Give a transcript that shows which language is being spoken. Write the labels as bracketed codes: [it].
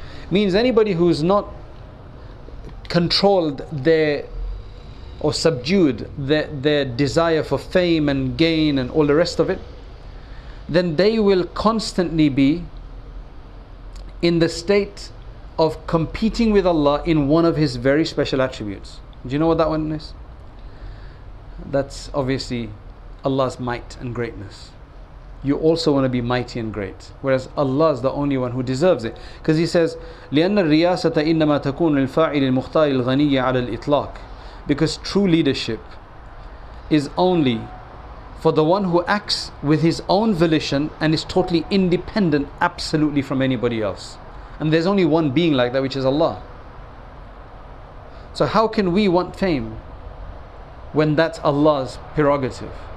[en] Means anybody who's not controlled or subdued their desire for fame and gain and all the rest of it, then they will constantly be in the state of competing with Allah in one of his very special attributes. Do you know what that one is? That's obviously Allah's might and greatness. you also want to be mighty and great. Whereas Allah is the only one who deserves it. Because He says, [ar] لِأَنَّ الرِّيَاسَةَ إِنَّمَا تَكُونُ الْفَاعِلِ الْمُخْتَارِ الْغَنِيَّ عَلَى الْإِطْلَاقِ. [en] Because true leadership is only for the one who acts with his own volition and is totally independent absolutely from anybody else. And there's only one being like that, which is Allah. So how can we want fame when that's Allah's prerogative?